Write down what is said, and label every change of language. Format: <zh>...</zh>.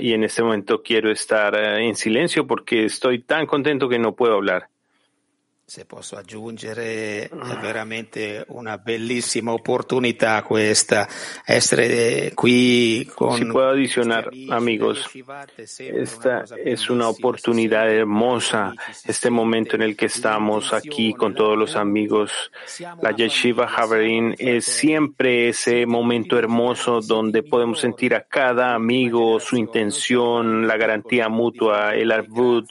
<es>Y en este momento quiero estar en silencio porque estoy tan contento que no puedo hablar.</es> <it>Se posso aggiungere, è veramente una bellissima opportunità questa, essere qui con... Si può</it> <es>adicionar, amigos, esta es una oportunidad hermosa, este momento en el que estamos aquí con todos los amigos. La Yeshiva Haverim es siempre ese momento hermoso donde podemos sentir a cada amigo su intención, la garantía mutua, el arbut.</es>